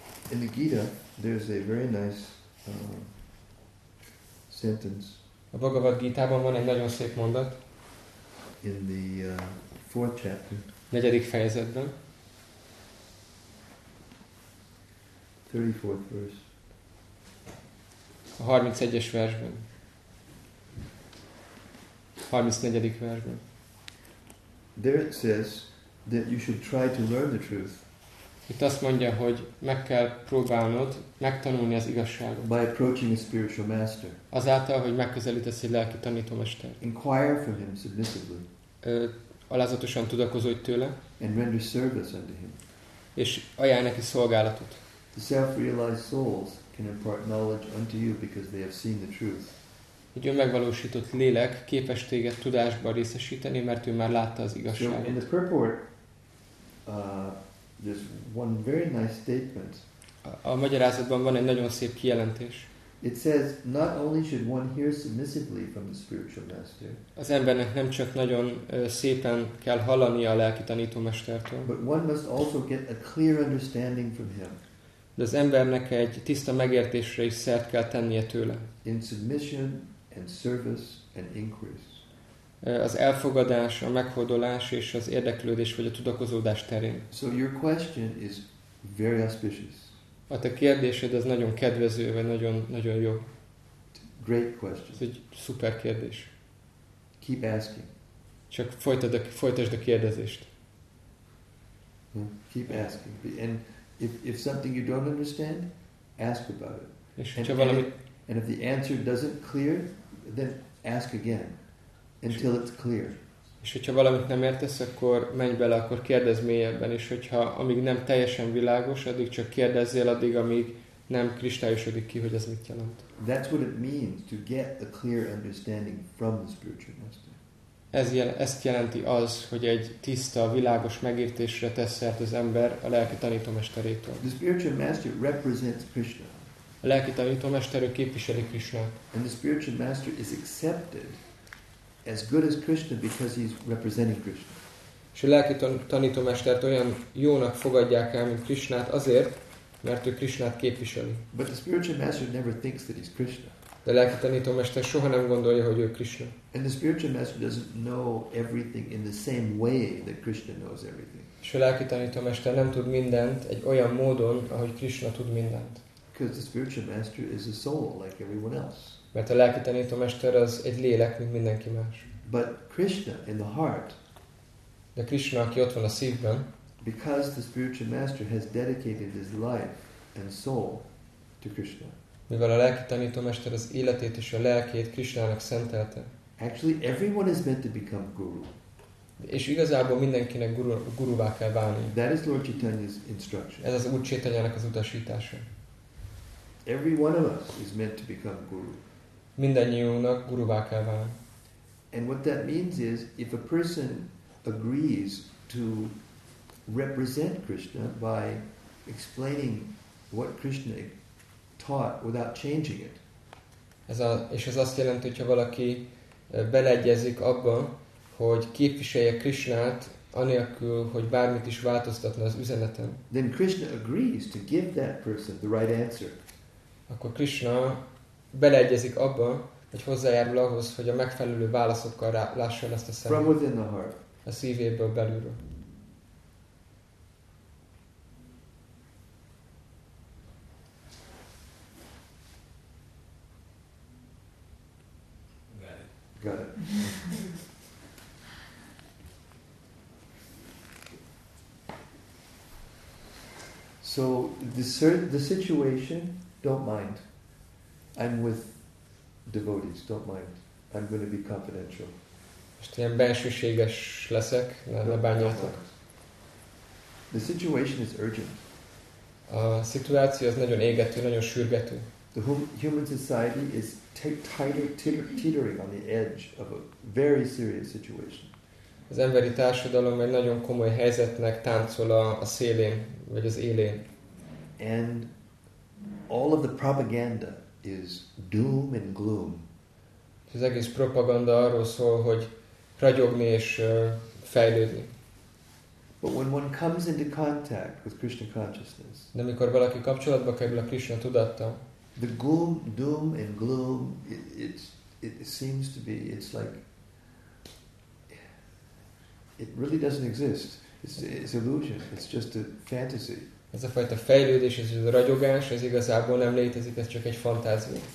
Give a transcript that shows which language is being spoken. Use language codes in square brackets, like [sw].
[en] In the Gita, there's a very nice sentence. [hu] A Bhagavad Gita-ban van egy nagyon szép mondat. [en] In the fourth chapter. [hu] Negyedik fejezetben. [en] 34th verse. [hu] A 31-es versben. 34. versben. [en] There it says that you should try to learn the truth. [hu] Itt azt mondja, hogy meg kell próbálnod megtanulni az igazságot. [en] By approaching a spiritual master. [hu] Azáltal, hogy megközelítesz egy lelki tanítómestert. [en] Inquire from him submissively. [hu] Alázatosan tudakozódj tőle. [en] And render service unto him. [hu] És ajánl neki szolgálatot. [en] The self-realized souls can impart knowledge unto you because they have seen the truth. [hu] Egy önmegvalósított lélek képes téged tudásba részesíteni, mert ő már látta az igazságot. [en] So in the purport, there's one very nice statement. [hu] A magyarázatban van egy nagyon szép kijelentés. [en] It says, not only should one hear submissively from the spiritual master. [hu] Az embernek nem csak nagyon szépen kell hallania a lelki tanítómestertől. [en] But one must also get a clear understanding from him. [hu] De az embernek egy tiszta megértésre is szert kell tennie tőle. [en] In submission and service and inquiries. [hu] Az elfogadás, a meghódolás és az érdeklődés vagy a tudakozódás terén. [en] So your question is very auspicious. [hu] A te kérdésed az nagyon kedvező, vagy nagyon, nagyon jó. [en] Great question. [hu] Ez egy szuper kérdés. [en] Keep asking. [hu] Csak folytasd a kérdezést. [en] Keep asking. And if something you don't understand, ask about it. [hu] És hogyha valami... [en] And if the answer doesn't clear, then ask again. Until it's clear. [hu] És hogyha valamit nem értesz, akkor menj bele, akkor kérdezz mélyebben, és hogyha amíg nem teljesen világos, addig csak kérdezzél, addig amíg nem kristályosodik ki, hogy ez mit jelent. [en] That's what it means to get a clear understanding from the spiritual master. [hu] Ezt jelenti az, hogy egy tiszta, világos megértésre tesz szert az ember a lelki tanítómesterétől. [en] The spiritual master represents Krishna. [hu] A lelki tanítómester képviseli Krishnát. [en] And the spiritual master is accepted as good as Krishna because he's representing Krishna. [hu] és a lelki tanítómestert olyan jónak fogadják el, mint Krisnát, azért, mert ő Krisnát képviseli. [en] But the spiritual master never thinks that he's Krishna. [hu] De a lelki tanítómester soha nem gondolja, hogy ő Krisna. [en] And the spiritual master doesn't know everything in the same way that Krishna knows everything. [hu] És a lelki tanítómester nem tud mindent egy olyan módon, ahogy Krisna tud mindent. [en] Because the spiritual master is a soul like everyone else. [hu] Mert a lelki tanítómester az egy lélek, mint mindenki más. [en] But Krishna in the heart. [hu] De Krishna, aki ott van a szívben. [en] Because the spiritual master has dedicated his life and soul to Krishna. [hu] Mivel a lelki tanítómester az életét és a lelkét Krisnának szentelte. [en] Actually, everyone is meant to become guru. [hu] És igazából mindenkinek guruvá kell válni. [en] That is Lord Chaitanya's instruction. [hu] Ez az Úr Chaitanyának az utasítása. [en] Every one of us is meant to become guru. [hu] Mindannyiunknak guruvá kell válni. [en] And what that means is, if a person agrees to represent Krishna by explaining what Krishna taught without changing it. [hu] És ez azt jelenti, hogyha valaki beleegyezik abban, hogy képviselje Krishnát anélkül, hogy bármit is változtatna az üzeneten. [en] Then Krishna agrees to give that person the right answer. [hu] Akkor Krishna beleegyezik abban, hogy hozzájárul ahhoz, hogy a megfelelő válaszokkal lássa ezt a szemét. [en] From within the heart. [hu] A szívéből belülről. [en] So the situation, don't mind. I'm with devotees, don't mind. I'm going to be confidential. [hu] Most ilyen bensőséges leszek, ne bánjátok. [en] The situation is urgent. [hu] A szituáció az nagyon égető, nagyon sürgető. [en] The human society is teetering on the edge of a very serious situation. [hu] Az emberi társadalom egy nagyon komoly helyzetnek táncol a szélén, vagy az élén. [en] And all of the propaganda is doom and gloom. [hu] Az egész propaganda arról szól, hogy ragyogni és fejlődni. [en] But when one comes into contact with Krishna consciousness, [hu] de amikor valaki kapcsolatba kerül a Krishna tudattal, [en] the gloom, doom and gloom, it seems to be, it's like, it really doesn't exist. It's illusion. It's just a fantasy. [hu] Ez a fajta fejlődés, ez a ragyogás, ez igazából nem létezik, ez csak egy fantázia.